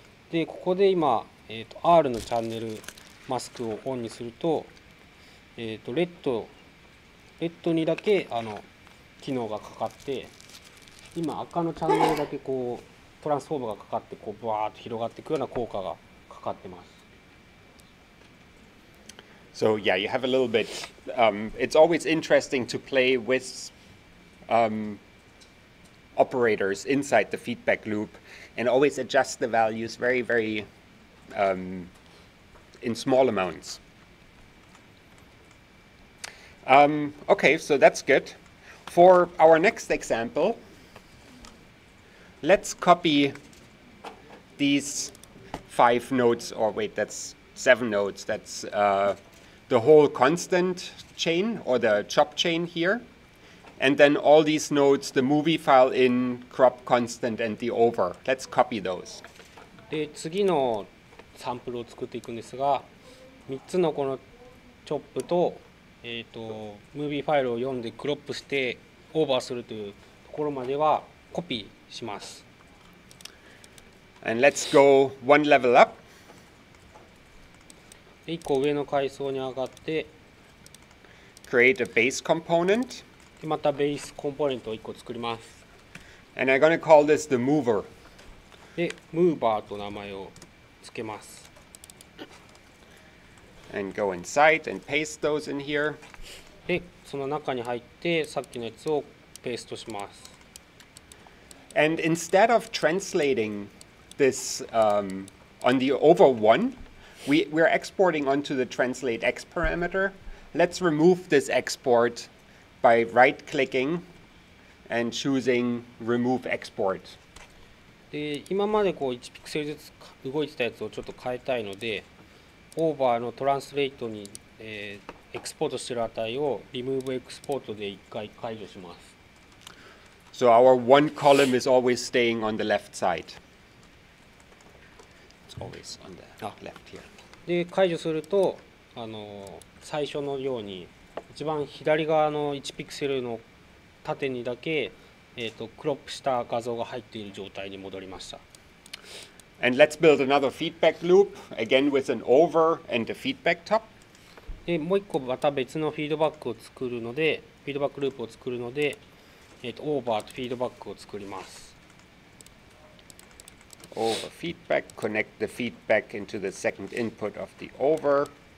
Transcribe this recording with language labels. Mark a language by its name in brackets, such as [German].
[Japanese] で、ここで今R のチャンネルマスクをオンにするとレッドにだけあの機能がかかって今赤のチャンネルだけこうトランスフォームがかかってこうブワーッと広がっていくような効果がかかってます。 [English] So yeah, you have a little bit. It's always interesting to play with operators inside the feedback loop and always adjust the values very, very in small amounts. Okay, so that's good. For our next example, let's copy these five nodes, or wait, that's seven nodes. That's the whole constant chain, or the chop chain here. And then all these nodes, the movie file in, crop constant, and the over. Let's copy those. [Japanese] で、次のサンプルを作っていくんですが、3つのこのチョップと、ムービーファイルを読んでクロップしてオーバーするというところまではコピーします。 [English] And let's go one level up. [Japanese] 1個上の階層に上がって、 [English] create a base component. [Japanese] で、またベースコンポーネントを1個作ります。 [English] And I'm going to call this the mover. [Japanese] で、ムーバーと名前をつけます。 [English] And go inside and paste those in here. [Japanese] で、その中に入ってさっきのやつをペーストします。 [English] And instead of translating this on the over one, we're exporting onto the translate x parameter. Let's remove this export by right clicking and choosing remove export. [Japanese] で、今までこう1ピクセルずつ動いてたやつをちょっと変えたいので。オーバーのトランスレートに、エクスポートしている値をリムーブエクスポートで一回解除します。 [English] So our one column is always staying on the left side. It's always on the left here. [Japanese] で、解除すると、最初のように一番左側の1ピクセルの縦にだけ、クロップした画像が入っている状態に戻りました。 [English] And let's build another feedback loop, again with an over and a feedback top. [Japanese] で、もう一個また別のフィードバックを作るので、フィードバックループを作るので、オーバーとフィードバックを作ります。 [English] Over feedback, connect the feedback into the second input of the over.